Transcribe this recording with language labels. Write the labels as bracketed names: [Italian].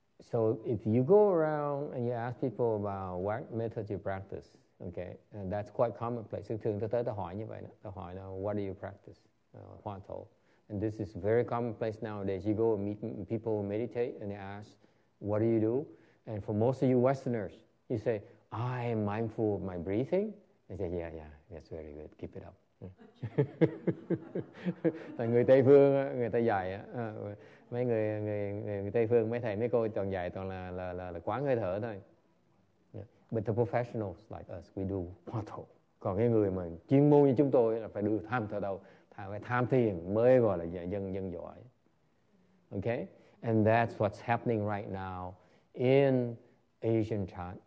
[English] So if you go around and you ask people about what method you practice, okay, and that's quite commonplace. [Vietnamese] Thường ta tới ta hỏi như vậy, ta hỏi là [English] what do you practice? Hoa Thổ. And this is very commonplace nowadays. You go and meet people who meditate and they ask, what do you do? And for most of you Westerners, you say, I am mindful of my breathing. They say, yeah, yeah, that's very good. Keep it up. [Vietnamese] Người Tây phương á, người ta dạy á, mấy người Tây phương, mấy thầy mấy cô toàn dạy toàn là quán hơi thở thôi. [English] Yeah. But the professionals like us, we do Hoa Thổ. [Vietnamese] Còn cái người mà chuyên môn như chúng tôi là phải đưa Tham Thọ Đầu, tham thiền mới gọi là dân giỏi. [English] Okay, and that's what's happening right now in Asian Chan.